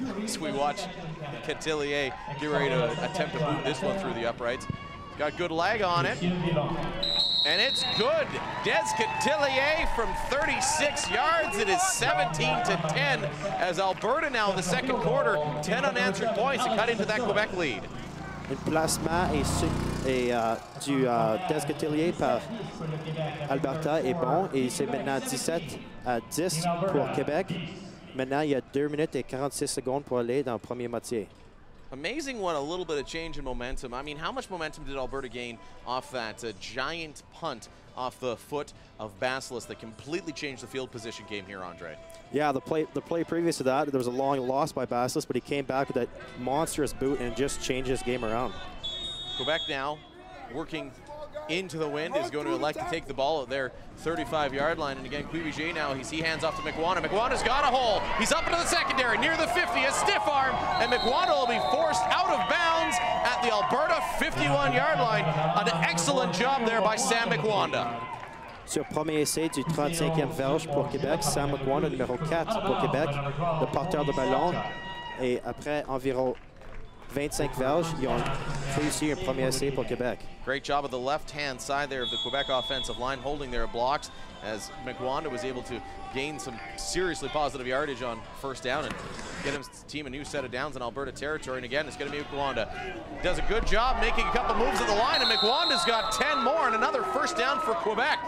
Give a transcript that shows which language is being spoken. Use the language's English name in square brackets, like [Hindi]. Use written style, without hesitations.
[English] As we watch Cattelier get ready to attempt to boot this one through the uprights. Got good leg on it. And it's good. Des Cattelier from 36 yards. It is 17-10 as Alberta now in the second quarter, 10 unanswered points to cut into that Quebec lead. [French] Le placement du Des Cattelier par Alberta est bon et c'est maintenant 17-10 pour Québec. Maintenant, il y a 2 minutes et 46 secondes pour aller dans la première moitié. [English] Amazing what a little bit of change in momentum. I mean, how much momentum did Alberta gain off that giant punt off the foot of Basilis that completely changed the field position game here, Andre? Yeah, the play previous to that, there was a long loss by Basilis, but he came back with that monstrous boot and just changed his game around. Quebec now working into the wind is going to elect to take the ball at their 35-yard line. And again, Cuivier now, he hands off to McWanna. McWanna's got a hole. He's up into the secondary, near the 50, a stiff arm, and McWanna will be forced out of bounds at the Alberta 51-yard line. An excellent job there by Sam McWanna. [French] Sur premier essai du 35e verge pour Québec, Sam McWanna, numéro 4 pour Québec, le porteur de ballon. Et après environ 25 verges, ils ont réussi un premier essai pour Québec. [English] Great job of the left-hand side there of the Quebec offensive line holding their blocks as McWanda was able to gain some seriously positive yardage on first down and get his team a new set of downs in Alberta territory. And again, it's going to be McWanda. Does a good job making a couple moves at the line, and McWanda's got 10 more and another first down for Quebec.